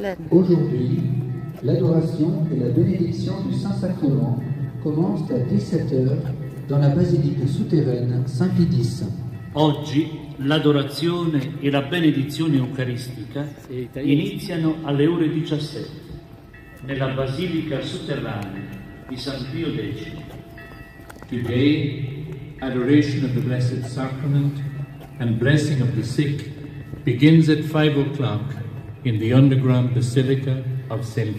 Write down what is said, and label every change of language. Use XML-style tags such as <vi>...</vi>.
<fr>Aujourd'hui, l'adoration et la bénédiction du Saint-Sacrement commencent à 17h dans la basilique souterraine Saint-Pédis.</fr> <it>Oggi l'adorazione e la benedizione eucaristica iniziano alle ore 17 nella basilica sotterranea di San Pio X.</it> <en>Today, adoration of the Blessed Sacrament and blessing of the sick begins at 5 o'clock. In the underground basilica of St.</en>